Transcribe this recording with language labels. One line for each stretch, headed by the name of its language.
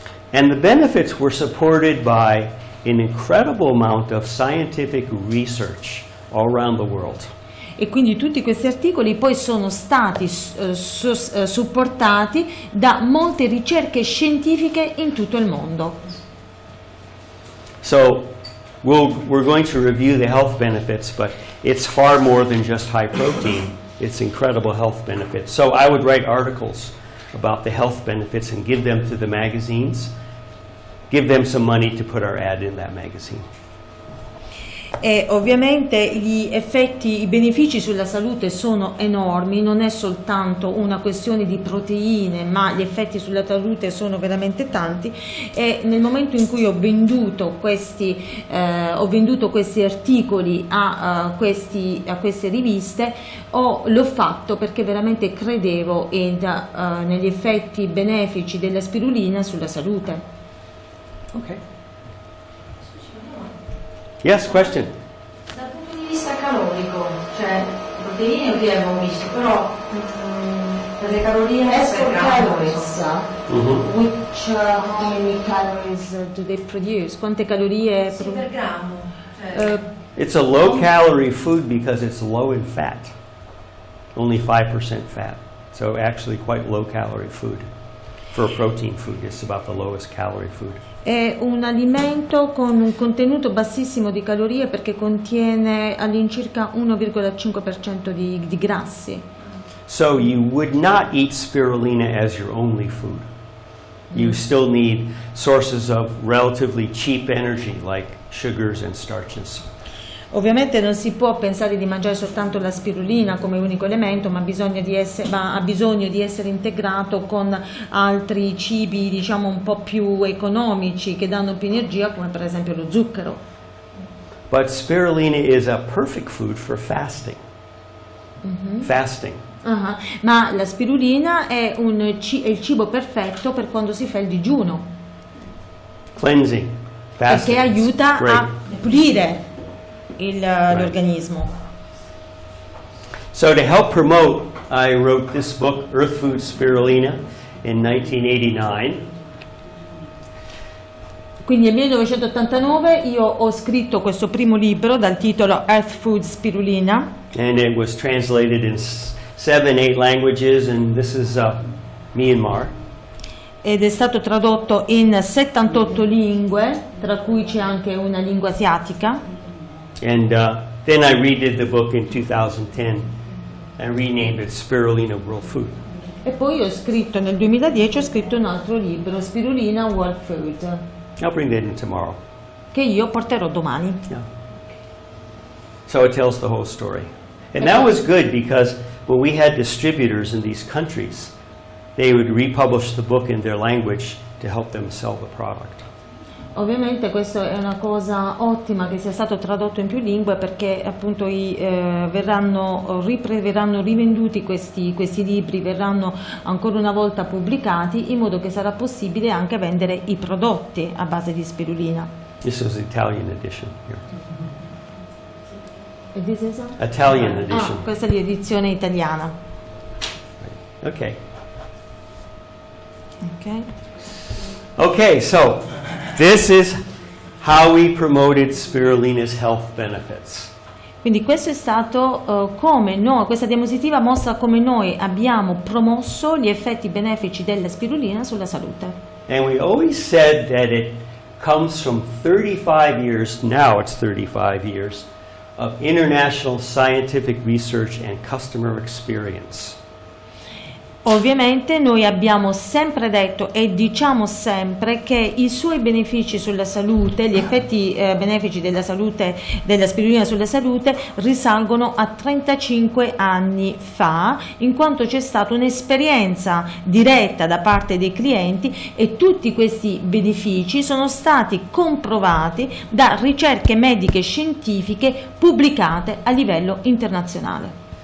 English: And the benefits were supported by an incredible amount of scientific research all around the world.
Italian: E quindi tutti questi articoli poi sono stati supportati da molte ricerche scientifiche in tutto il mondo.
English: So we're going to review the health benefits, but it's far more than just high protein. It's incredible health benefits. So I would write articles about the health benefits and give them to the magazines, give them some money to put our ad in that magazine.
Italian: E ovviamente gli effetti, i benefici sulla salute sono enormi, non è soltanto una questione di proteine, ma gli effetti sulla salute sono veramente tanti. E nel momento in cui ho venduto questi articoli a queste riviste, l'ho fatto perché veramente credevo negli effetti benefici della spirulina sulla salute. Ok.
English: Yes, question.
Italian: Dal punto di vista calorico, cioè proteine ok, abbiamo visto, però per le calorie
English: how many calories do they produce?
Italian: Quante calorie per grammo? Cioè,
English: it's a low calorie food because it's low in fat. Only 5% fat. So actually quite low calorie food. For a protein food, it's about the lowest calorie food.
Italian: È un alimento con un contenuto bassissimo di calorie perché contiene all'incirca 1,5% di grassi.
English: So you would not eat spirulina as your only food. You still need sources of relatively cheap energy like sugars and starches.
Italian: Ovviamente non si può pensare di mangiare soltanto la spirulina come unico elemento, ma ha bisogno di essere integrato con altri cibi, diciamo, un po' più economici che danno più energia, come per esempio lo zucchero.
English: But spirulina is a perfect food for fasting. Mm-hmm. Fasting. Uh-huh.
Italian: Ma la spirulina è il cibo perfetto per quando si fa il digiuno.
English: Cleansing. Fasting.
Italian: Perché aiuta a pulire l'organismo.
English: So to help promote, I wrote this book, Earth Food Spirulina, in 1989.
Italian: Quindi nel 1989 io ho scritto questo primo libro dal titolo Earth Food Spirulina.
English: And it was translated in 7-8 languages, and this is Myanmar.
Italian: Ed è stato tradotto in 78 lingue, tra cui c'è anche una lingua asiatica.
English: And then I redid the book in 2010 and renamed it Spirulina World Food.
Italian: E poi ho scritto nel 2010 ho scritto un altro libro, Spirulina World Food.
English: I'll bring that in tomorrow.
Italian: Che io porterò domani.
English: Yeah. So it tells the whole story. And that was good because when we had distributors in these countries, they would republish the book in their language to help them sell the product.
Italian: Ovviamente questa è una cosa ottima che sia stato tradotto in più lingue perché appunto verranno rivenduti questi libri, verranno ancora una volta pubblicati in modo che sarà possibile anche vendere i prodotti a base di spirulina.
English: This is an Italian edition here. Mm-hmm. This is a Italian edition.
Italian: Ah, questa è l'edizione italiana. Okay. Okay.
English: Okay, so this is how we promoted spirulina's health benefits.
Italian: Quindi questo è stato come noi, questa diapositiva mostra come noi abbiamo promosso gli effetti benefici della spirulina sulla salute.
English: And we always said that it comes from 35 years, now it's 35 years, of international scientific research and customer experience.
Italian: Ovviamente noi abbiamo sempre detto e diciamo sempre che i suoi benefici sulla salute, gli effetti benefici della salute, della spirulina sulla salute, risalgono a 35 anni fa, in quanto c'è stata un'esperienza diretta da parte dei clienti e tutti questi benefici sono stati comprovati da ricerche mediche scientifiche pubblicate a livello internazionale.